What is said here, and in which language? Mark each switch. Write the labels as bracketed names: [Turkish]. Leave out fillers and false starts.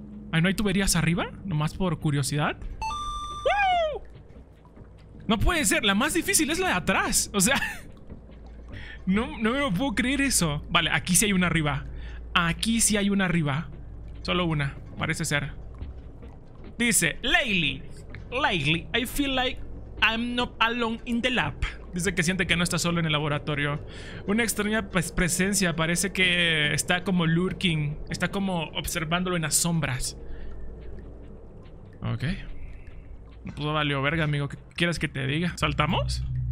[Spanish] ¿Ahí no hay tuberías arriba? Nomás por curiosidad. No puede ser, la más difícil es la de atrás. O sea, no me lo puedo creer eso. Vale, aquí sí hay una arriba. Aquí sí hay una arriba. Solo una, parece ser. [English] Dice, Lately, I feel like I'm not alone in the lab. [Spanish] Dice que siente que no está solo en el laboratorio. Una extraña presencia, parece que está como lurking. Está como observándolo en las sombras. Ok. No puedo darle verga, amigo. ¿Qué quieres que te diga? ¿Saltamos?